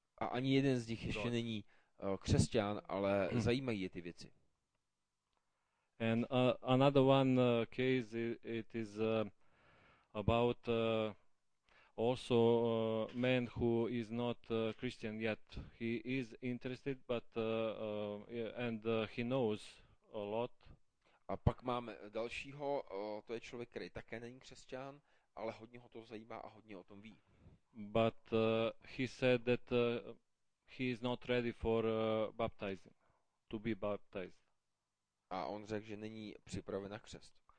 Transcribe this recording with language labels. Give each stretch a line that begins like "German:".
Czech: A ani jeden z nich ještě není křesťan, ale zajímají je ty věci.
English: And another one case it is about also man who is not Christian yet. He is interested, but and he knows a lot.
Czech: A pak máme dalšího, to je člověk, který také není křesťan, ale hodně ho to zajímá a hodně o tom ví.
English: But he said that he is not ready for baptizing, to be baptized.
Czech: A on řekl, že není připraven na křest.